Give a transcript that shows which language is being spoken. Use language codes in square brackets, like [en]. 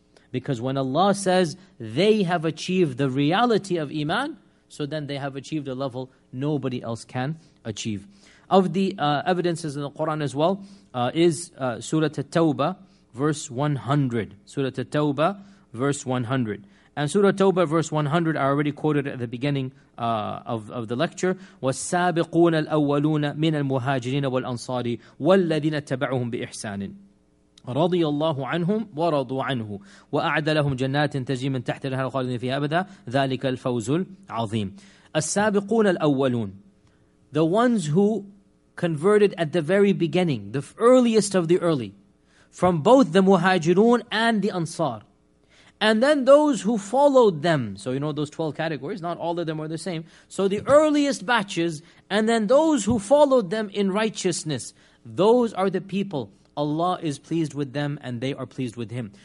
[en] Because when Allah says they have achieved the reality of iman, so then they have achieved a level nobody else can achieve. Of the evidences in the Quran as well, is Surah At-Tawbah, verse 100. Surah At-Tawbah, verse 100. And Surah At-Tawbah, verse 100, I already quoted at the beginning of the lecture. [ar] وَالسَّابِقُونَ الْأَوَّلُونَ مِنَ الْمُهَاجِرِينَ وَالْأَنصَارِ وَالَّذِينَ اتَّبَعُهُمْ بِإِحْسَانٍ رضي الله عنهم ورضوا عنه وأعد لهم جنات تجري من تحت الأنهار خالدين فيها أبدا ذلك الفوز العظيم. السابقون الأولون, [en] the ones who converted at the very beginning, the earliest of the early, from both the Muhajirun and the Ansar, and then those who followed them. So you know those 12 categories, not all of them are the same. So the earliest batches, and then those who followed them in righteousness, those are the people Allah is pleased with them and they are pleased with him.